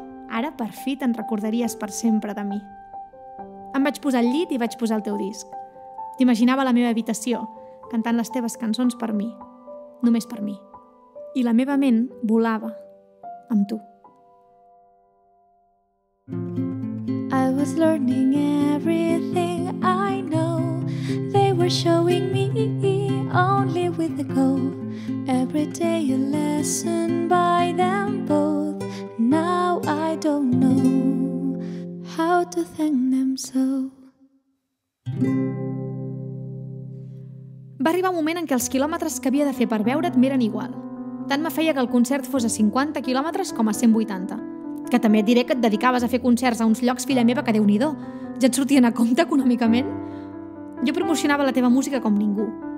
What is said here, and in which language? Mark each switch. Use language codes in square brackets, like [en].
[ca] Ara, per fi, te'n recordaries per sempre de mi. Em vaig posar al llit i vaig posar el teu disc. T'imaginava la meva habitació, cantant les teves cançons per mi. Només per mi. I la meva ment volava amb tu. [en] I was learning everything I know. They were showing me only with a go. Every day a lesson by them both. Now I don't know how to thank them so. [ca] Va arribar un moment en què els quilòmetres que havia de fer per veure't m'eren igual. Tant me feia que el concert fos a 50 quilòmetres com a 180. Que també et diré que et dedicaves a fer concerts a uns llocs, filla meva, que déu-n'hi-do. Ja et sortien a compte econòmicament? Jo promocionava la teva música com ningú.